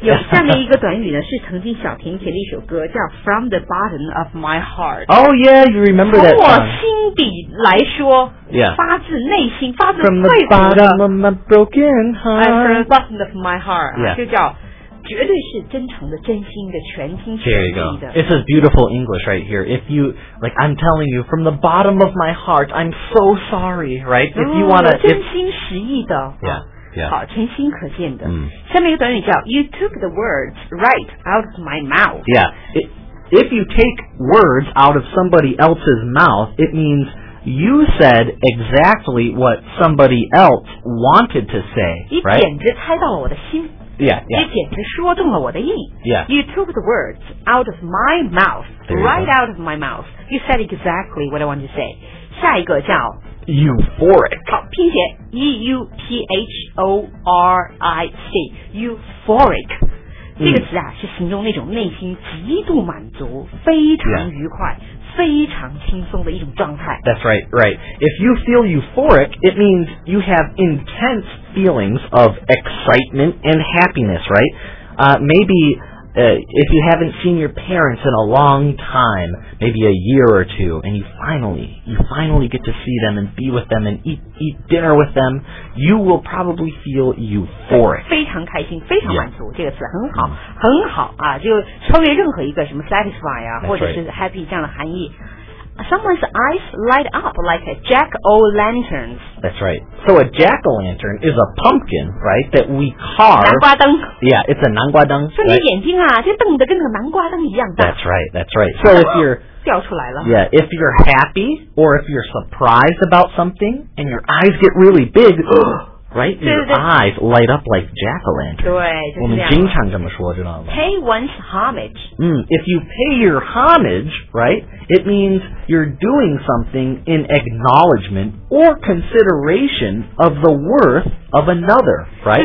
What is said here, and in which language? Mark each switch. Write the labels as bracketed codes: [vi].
[zh] 有下面一个短语呢，是曾经小甜甜的一首歌，叫 [en] From the Bottom of My Heart. Oh yeah, you remember that? [zh] 从我心底来说， [en] yeah. [zh] 发自内心，发自肺腑的。 [en] From the bottom of my broken heart. I'm from the bottom of my heart. Yeah. [zh] 就叫绝对是真诚的、真心的、全心全意的。 [en] There you go. It's a beautiful English right here. If you like, I'm telling you from the bottom of my heart, I'm so sorry, right? If you wanna, [zh] 真心实意的。 [en] Yeah. Yeah. [zh] 好，全心可见的、 mm. 下面一个短语叫 [en] You took the words right out of my mouth. Yeah, if you take words out of somebody else's mouth, it means you said exactly what somebody else wanted to say, right? [zh] 你简直猜到了我的心。 [en] Yeah, yeah. [zh] 你简直说中了我的意。 [en] Yeah. You took the words out of my mouth, right、 go. out of my mouth. You said exactly what I wanted to say. [zh] 下一个叫 [en] Euphoric. [zh] 好，拼写 [en] E-U-P-H-O-R-I-C. Euphoric. [zh] 这个词啊，是形容那种内心极度满足，非常愉快、 [en] yeah. [zh] 非常轻松的一种状态。 [en] That's right, right. If you feel euphoric, it means you have intense feelings of excitement and happiness, right? If you haven't seen your parents in a long time, maybe a year or two, and you finally get to see them and be with them and eat dinner with them, you will probably feel euphoric. [zh] 非常开心，非常满足、 [en] yeah. [zh] 这个词很好、mm-hmm. 很好啊，就超越任何一个什么 satisfy 啊、 [en] That's、 [zh] 或者是 happy、 [en] right. [zh] 这样的含义。 [en] Someone's eyes light up like a jack-o'-lantern. That's right. So a jack-o'-lantern is a pumpkin, right, that we carve. [zh] 南瓜灯. [en] Yeah, it's a 南瓜灯. [zh] 所以你眼睛啊就瞪得跟个南瓜灯一样大. [en] That's right, that's right. So if you're... [zh] 掉出来了. [en] Yeah, if you're happy or if you're surprised about something and your eyes get really big, right, your eyes light up like jack-o'-lantern. [zh] 对,就是这样。我们经常这么说,知道吗? [en] Pay one's homage. If you pay your homage, right, it means you're doing something in acknowledgement or consideration of the worth of another, right?